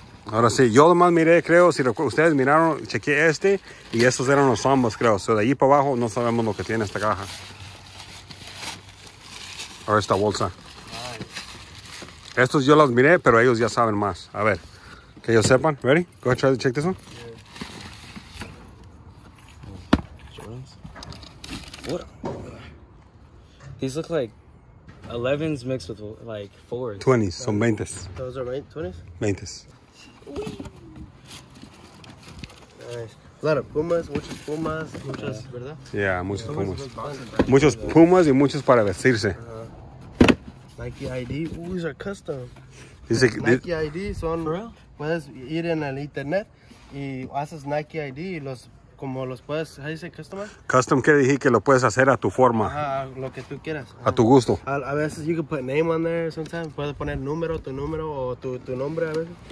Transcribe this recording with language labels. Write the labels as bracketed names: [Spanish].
[Spanish] Ahora sí, yo lo más miré, creo, si ustedes miraron, chequeé este, y esos eran los zombos, creo. O sea, de allí para abajo no sabemos lo que tiene esta caja. O esta bolsa. Estos yo los miré, pero ellos ya saben más. A ver, que ellos sepan. [English] Ready? Go ahead, try to check this one. These look like 11s mixed with like 4s. [Spanish] 20s, son 20s. [English] Those are 20s? 20s. Nice. A lot of Pumas, [Spanish] muchos Pumas, muchos, ¿verdad? [English] Yeah, [Spanish] muchos Pumas. Muchos Pumas y muchos para vestirse. [English] Nike ID, ooh, these are custom. Is it, [Spanish] Nike ID, son, puedes ir en el internet y haces Nike ID y los... Como los puedes, ¿cómo dice customize? Custom quiere decir que lo puedes hacer a tu forma. Ajá, lo que tú quieras. Ajá. A tu gusto. A veces [English] you can put name on there sometimes. [Spanish] Puedes poner número o tu nombre a veces.